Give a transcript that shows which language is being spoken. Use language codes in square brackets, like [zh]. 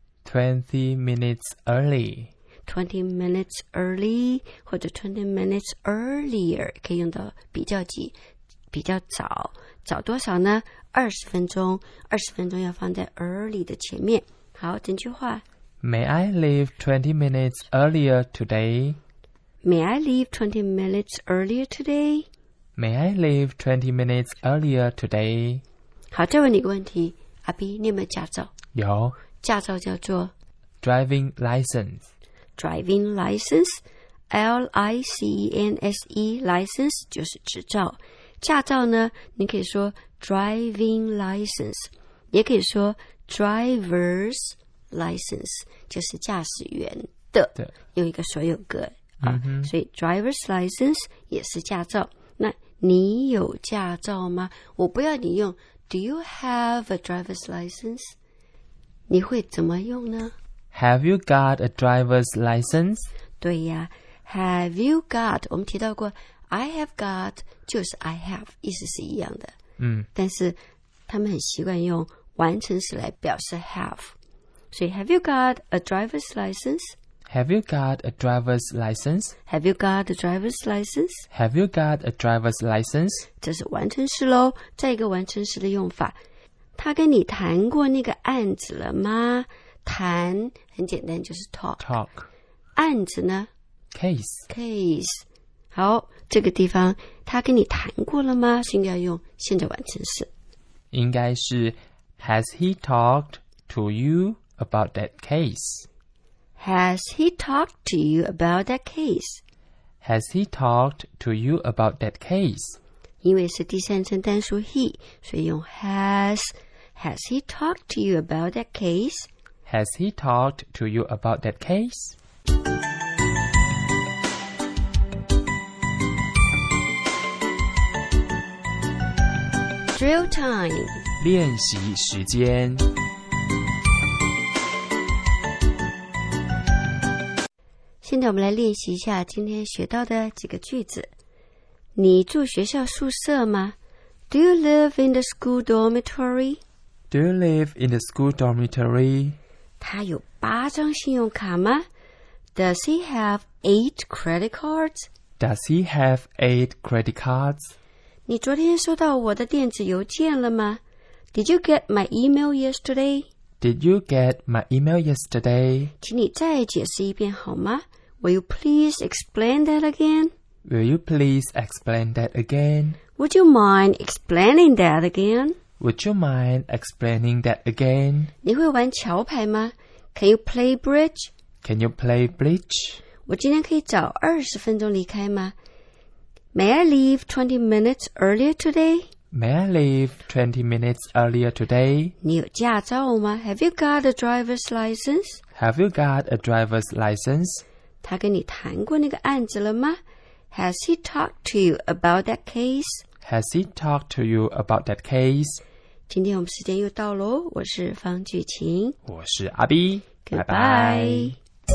[en] ？20 minutes early. 20 minutes early， [zh] 或者 [en] 20 minutes earlier， [zh] 可以用到比较级，比较早。早多少呢？ 20分钟，20分钟要放在 early 的前面。好，整句话。 [en] May I leave 20 minutes earlier today? May I leave 20 minutes earlier today? May I leave 20 minutes earlier today? [zh] 好，再问你一个问题，阿B，你有没有驾照？有。驾照叫做 [en] driving license。 Driving license, L-I-C-E-N-S-E, license [zh] 就是执照。驾照呢，你可以说 [en] driving license， [zh] 也可以说 [en] driver's license， [zh] 就是驾驶员的，用一个所有格、所以 driver's license 也是驾照。那你有驾照吗？我不要你用 [en] Do you have a driver's license? [zh] 你会怎么用呢？ [en] Have you got a driver's license? [zh] 对呀， [en] Have you got? [zh] 我们提到过 [en] I have got [zh] 就是 [en] I have， [zh] 意思是一样的。但是他们很习惯用完成时来表示 have， 所以 [en] Have you got a driver's license? Have you got a driver's license? Have you got a driver's license? Have you got a driver's license? [zh] 这是完成式咯。再一个完成式的用法，他跟你谈过那个案子了吗？谈很简单，就是 talk。 [en] talk。 [zh] 案子呢 [en] ？case。 case。 [zh] 好，这个地方他跟你谈过了吗？是应该用现在完成式。应该是 [en] Has he talked to you about that case? Has he talked to you about that case? Has he talked to you about that case? [zh] 因为是第三人称 [en] he， [zh] 所以用has. [en] Has he talked to you about that case? Has he talked to you about that case? Drill time. [zh] 练习时间。现在我们来练习一下今天学到的几个句子。你住学校宿舍吗 [en] ？Do you live in the school dormitory? Do you live in the school dormitory? [zh] 他有8张信用卡吗 [en] ？Does he have 8 credit cards? Does he have 8 credit cards? [zh] 你昨天收到我的电子邮件了吗 [en] ？Did you get my email yesterday? Did you get my email yesterday? [zh] 请你再解释一遍好吗？ [en] Will you please explain that again? Will you please explain that again? Would you mind explaining that again? Would you mind explaining that again? [zh] 你会玩桥牌吗? [en] Can you play bridge? Can you play bridge? [zh] 我今天可以早20分钟离开吗? [en] May I leave 20 minutes earlier today? May I leave 20 minutes earlier today? [zh] 你有驾照吗? [en] Have you got a driver's license? Have you got a driver's license? [zh] 他跟你谈过那个案子了吗 [en] ？Has he talked to you about that case? Has he talked to you about that case? [zh] 今天我们时间又到喽，我是方巨晴，我是阿 B， 拜拜。 [en] Goodbye.